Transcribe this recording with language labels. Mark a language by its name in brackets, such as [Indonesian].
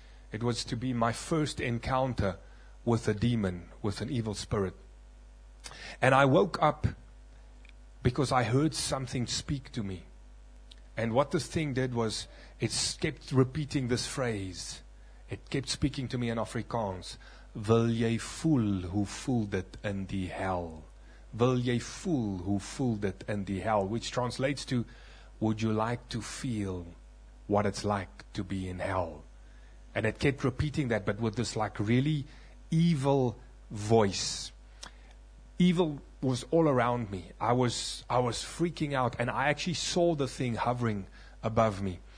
[English] It was to be my first encounter with a demon, with an evil spirit. And I woke up because I heard something speak to me. And what this thing did was it kept repeating this phrase. It kept speaking to me in Afrikaans. [Afrikaans] Wil jy voel hoe voel dit in die hel? Wil jy voel hoe voel dit in die hel? [English] Which translates to, would you like to feel what it's like to be in hell? And it kept repeating that, but with this like really evil voice. Evil was all around me. I was freaking out, and I actually saw the thing hovering above me.